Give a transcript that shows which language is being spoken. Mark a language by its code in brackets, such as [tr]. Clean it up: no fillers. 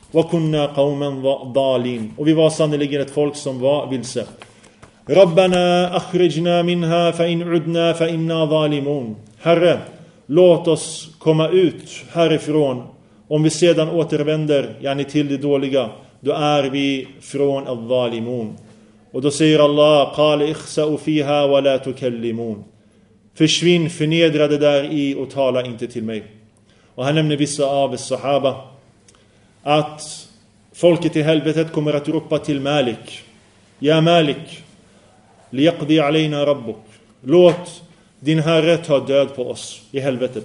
[ar] وَكُنَّا قَوْمًا ضَالِينَ. [sv] Och vi var sannoliken ett folk som var vilse. [ar] رَبَّنَا أَخْرِجْنَا مِنْهَا فَإِنْ عُدْنَا فَإِنَّا ظَالِمُونَ. [sv] Herre, låt oss komma ut härifrån. Om vi sedan återvänder, yani till det dåliga, då är vi från al-zalimun. Och då säger Allah, [ar] قَالِ اِخْسَأُ فِيهَا وَلَا تُكَلِّمُونَ. [sv] Försvinn, förnedra det där i och tala inte till mig. Och här nämner vissa av sahaba att folket i helvetet kommer att ropa till Malik. [ar] Ja Malik, liyaqdi alayna rabbuk. [sv] Låt din herre ta död på oss i helvetet.